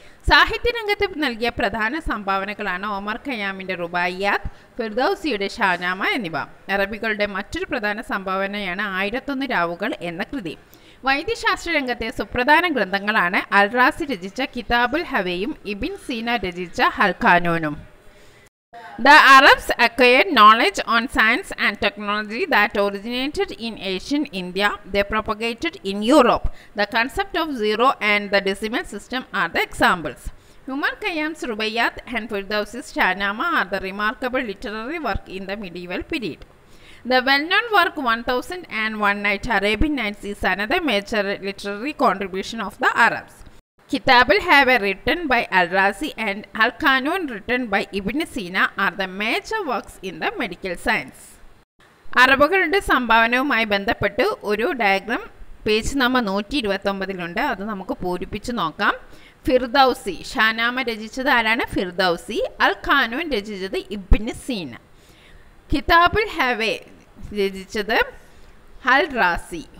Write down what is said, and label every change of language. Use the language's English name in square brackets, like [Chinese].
[Malayalam] സാഹിത്യരംഗത്ത് നൽകിയ പ്രധാന സംഭാവനകളാണ് ഒമർ ഖയ്യാമിൻ്റെ റുബായിയാത്, ഫിർദൗസിയുടെ ഷാനാമ എന്നിവ. അറബികളുടെ മറ്റൊരു പ്രധാന സംഭാവനയാണ് 1001 രാവുകൾ എന്ന കൃതി. വൈദ്യശാസ്ത്ര രംഗത്തെ സുപ്രധാന ഗ്രന്ഥങ്ങളാണ് അൽറാസി രചിച്ച കിതാബുൽ ഹവയും ഇബിൻ സീന രചിച്ച ഹൽഖാനൂനും. [English] The Arabs acquired knowledge on science and technology that originated in ancient India. They propagated in Europe. The concept of zero and the decimal system are the examples. Umar Khayyam's Rubaiyat and Firdausi's Shahnama are the remarkable literary work in the medieval period. The well-known work 1001 Nights, Arabian Nights, is another major literary contribution of the Arabs. Kitabul have a written by Al-Razi and Al-Qanun written by Ibn Sina are the major works in the medical science. [Malayalam] അറബുകളുടെ സംഭാവനയുമായി ബന്ധപ്പെട്ട് ഒരു diagram page number 129 അത് നമുക്ക് പൂരിപ്പിച്ച് നോക്കാം. Ferdowsi ഷാനാമ രചിച്ചത് ആരാണ്? Ferdowsi. അൽ ഖാനൂൻ രചിച്ചത് ഇബ്നു സീന. കിതാബുൽ ഹവേ രചിച്ചത് അൽ റാസി.